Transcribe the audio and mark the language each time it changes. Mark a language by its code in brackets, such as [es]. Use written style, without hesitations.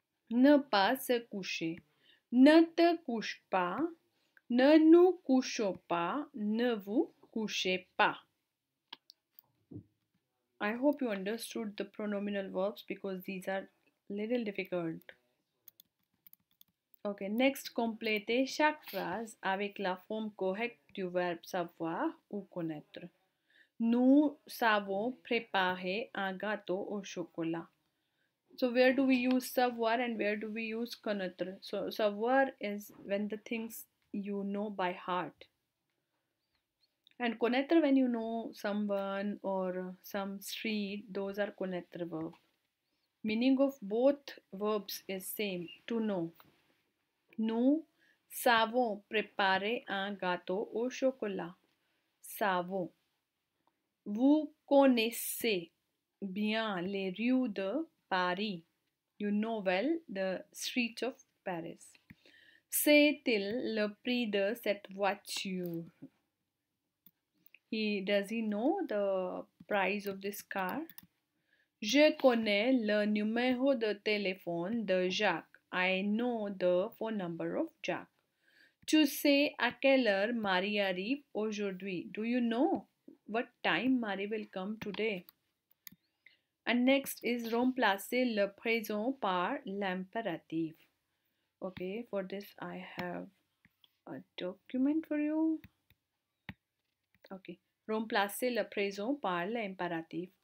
[fr] Ne pas se coucher. Ne te couche pas. Ne nous couchons pas. Ne vous couchez pas. [en] I hope you understood the pronominal verbs because these are little difficult. Okay, next, [fr] complétez chaque phrase avec la forme correcte du verbe savoir ou connaître. Nous savons préparer un gâteau au chocolat. [en] So where do we use savoir and where do we use connaître? So savoir is when the things you know by heart. And connaître when you know someone or some street, those are connaître verb. Meaning of both verbs is same, to know. [fr] Nous savons préparer un gâteau au chocolat. Savons. Vous connaissez bien les rues de Paris. [en] You know well the streets of Paris. [fr] Sait-il le prix de cette voiture? [en] Does he know the price of this car? [fr] Je connais le numéro de téléphone de Jacques. [en] I know the phone number of Jacques. [fr] Tu sais à quelle heure Marie arrive aujourd'hui? [en] Do you know what time Marie will come today? And next is [fr] remplacer le présent par l'impératif. [en] Okay, for this I have a document for you. [fr] Okay. Remplacer le présent par l'impératif.